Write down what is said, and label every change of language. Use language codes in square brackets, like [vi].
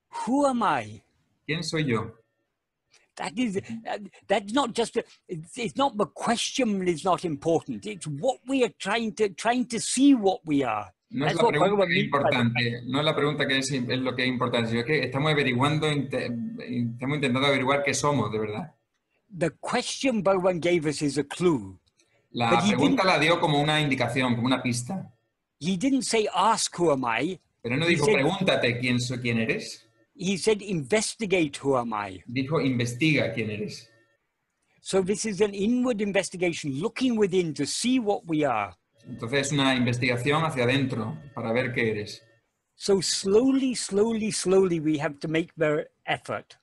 [en] Who am I? [es] ¿Quién soy yo? [en] That's not just a, it's not the question is not important. It's what we are trying to see what we are. [es] No es la pregunta que es importante. No es la pregunta que es lo que es importante. Sino que estamos averiguando, estamos intentando averiguar qué somos de verdad. [en] The question Bhagavan gave us is a clue. [es] La pregunta la dio como una indicación, como una pista. [en] He didn't say ask who am I. [es] Pero no dijo pregúntate quién soy, quién eres. [en] He said investigate who am I. [es] Dijo investiga quién eres. [en] So this is an inward investigation, looking within to see what we are. [es] Entonces es una investigación hacia adentro para ver qué eres. [en] So slowly, slowly, slowly we have to make the effort.